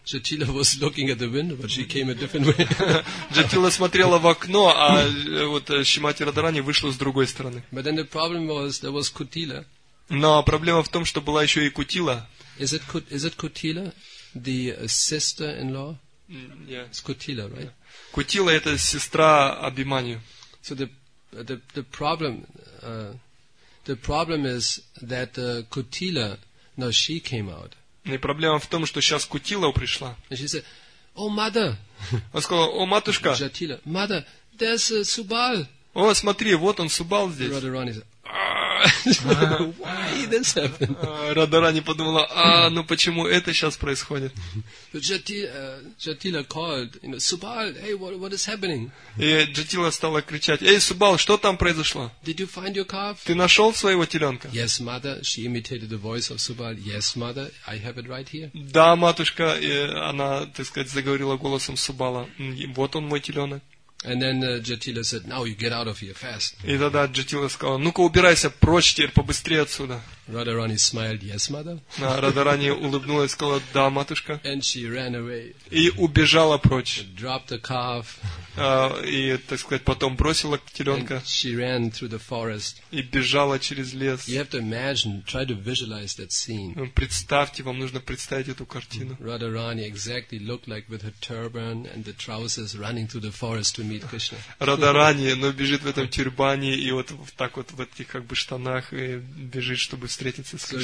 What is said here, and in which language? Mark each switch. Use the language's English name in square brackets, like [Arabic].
[English] Jatila was looking at the window, but she came a different way. [Russian] Джатила смотрела в окно, а вот Шримати Радарани вышла с другой стороны. [English] But then the problem was there was Kutila. [Russian] Но проблема в том, что была еще и Кутила. [English] Is it Kutila, the sister-in-law? Yeah. It's Kutila, right? Yeah. [Russian] Кутила это сестра Абиманию. [English] So the problem is that Kutila, now she came out. [Russian] И проблема в том, что сейчас Кутила пришла. [English] And she said, "Oh, mother." [Russian] Она сказала: "О, матушка." [English] Jatila, mother, there's Subal. [Russian] О, смотри, вот он Субал здесь. [English] Radharani said, Why this happened? [Russian] Радарани подумала: а, ну почему это сейчас происходит? [English] Jatila called, you know, Subal, hey, what is happening? [Russian] И Jatila стала кричать: эй, Субал, что там произошло? [English] Did you find your calf? [Russian] Ты нашел своего теленка? [English] Yes, mother. She imitated the voice of Subal. Yes, mother. I have it right here. [Russian] Да, матушка, она, так сказать, заговорила голосом Субала: вот он, мой теленок. [English] And then Jatila said, "Now you get out of here fast." [Russian] И тогда Джатила сказала: "Ну-ка убирайся прочь теперь, побыстрее отсюда." [English] Radharani smiled, "Yes, mother." [Russian] На Радарани улыбнулась, сказала: "Да, матушка." [English] And she ran away. [Russian] И убежала прочь. [English] Dropped the calf. [Russian] И, так сказать, потом бросила теленка. [English] And she ran through the forest. [Russian] И бежала через лес. [English] You have to imagine, try to visualize that scene. [Russian] Представьте, вам нужно представить эту картину. [English] Radharani exactly looked like with her turban and the trousers running through the forest to meet Krishna. [Russian] Радарани, но бежит в этом тюрбане и вот так вот в этих как бы штанах и бежит, чтобы встретиться с Кришной.